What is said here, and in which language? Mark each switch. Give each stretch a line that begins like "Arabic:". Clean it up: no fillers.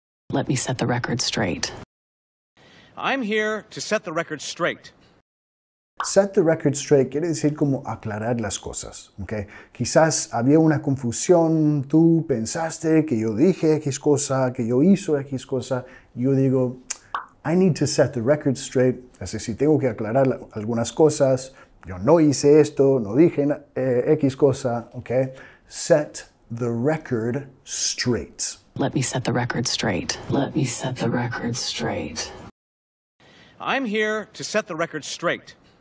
English: Let me set the record straight. I'm here to set the record straight. Set the record straight
Spanish: quiere decir como aclarar las cosas, ¿ok? Quizás había una confusión, tú pensaste que yo dije X cosa, que yo hizo X cosa, yo digo,
English: I need to set the record straight.
Spanish: Es decir, tengo que aclarar algunas cosas. Yo no hice esto, no dije X cosa, ¿ok?
English: Set the record straight. Let me set the record straight. Let me set the record straight. I'm here to set the record straight.